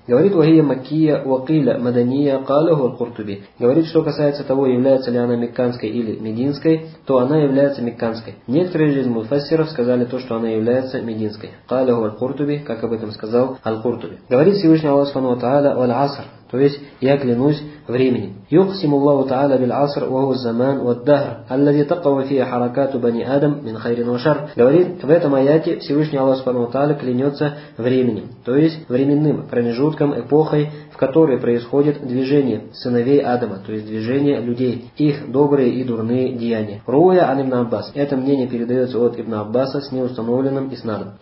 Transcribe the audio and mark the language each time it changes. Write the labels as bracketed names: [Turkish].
[Russian] Говорит [Arabic] «Вахия Маккия Уакиля Мадания Калаху Аль-Куртуби». [Russian] Говорит, что касается того, является ли она мекканской или мединской, то она является мекканской. Некоторые из муфассиров сказали то, что она является мединской. [Arabic] Калаху Аль-Куртуби, [Russian] как об этом сказал Аль-Куртуби. Говорит Всевышний Аллах Субхану ва Тааля [Arabic] «Валь-Аср». [Russian] То есть я клянусь временем. [Arabic] يقسم الله تعالى بالعصر وهو الزمان والدهر الذي تقع فيه حركات بني آدم من خير وشر. [Russian] Говорит, в этом аяте Всевышний Аллах Субхану ва Тааля клянется временем, то есть временным промежутком, эпохой, в которой происходит движение сыновей Адама, то есть движение людей, их добрые и дурные деяния. [Arabic] Руя ан ибн Аббас. [Russian] Это мнение передается от Ибн Аббаса с неустановленным иснадом.